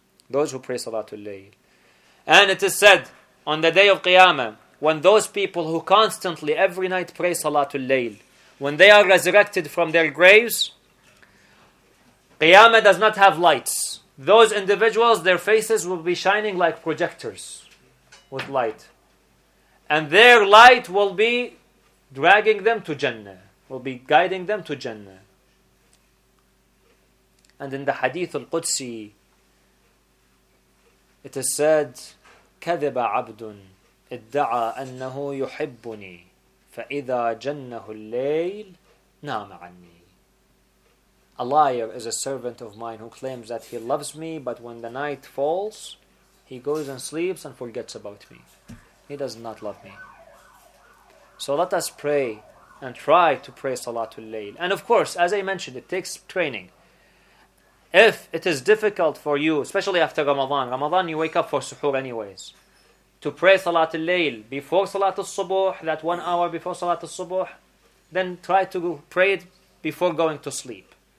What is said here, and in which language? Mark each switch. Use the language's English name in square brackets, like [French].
[English] Those who pray Salatul Layl. And it is said, on the day of Qiyamah, when those people who constantly every night pray Salatul Layl, when they are resurrected from their graves, Qiyamah does not have lights. Those individuals, their faces will be shining like projectors with light. And their light will be dragging them to Jannah, will be guiding them to Jannah. [Arabic] And in the Hadith al-Qudsi, it is said, كَذِبَ عَبْدٌ اِدَّعَى أَنَّهُ يُحِبُّنِي فَإِذَا جَنَّهُ اللَّيْلِ نَامَ عَنِّي. [English] A liar is a servant of mine who claims that he loves me, but when the night falls, he goes and sleeps and forgets about me. He does not love me. So let us pray and try to pray Salatul Layl. And of course, as I mentioned, it takes training. If it is difficult for you, especially after Ramadan you wake up for Suhoor anyways, to pray Salatul Layl before Salatul Subuh, that 1 hour before Salatul Subuh, then try to pray it before going to sleep.